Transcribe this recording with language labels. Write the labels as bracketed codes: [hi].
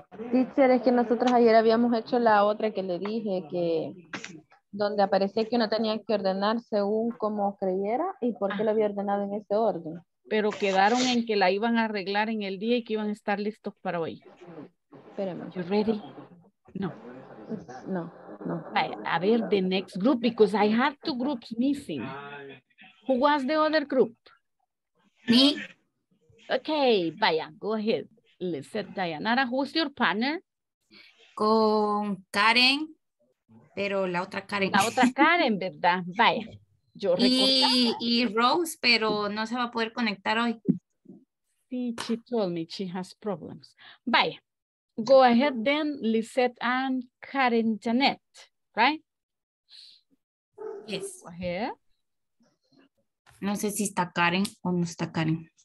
[es] Teacher, es que nosotros ayer habíamos hecho la otra que le dije, que donde aparecía que uno tenía que ordenar según como creyera y por qué lo había ordenado en ese orden. Pero quedaron en que la iban a arreglar en el día y que iban a estar listos para hoy. Espérame. [en] You ready? No. [es] No, no. A ver, [en] the next group, because I have 2 groups missing. Who was the other group? Me. Okay, [es] vaya, [en] go ahead. Let's set Dayanara. Who's your partner? [es] Con Karen. Pero la otra Karen. La otra Karen, ¿verdad? Vaya. Yo y Rose, pero no se va a poder conectar hoy. [en] Sí, she told me she has problems. Vaya. Go ahead then, Lisette and Karen Janet, right? Yes. Go ahead. [es] No sé si está Karen o no está Karen.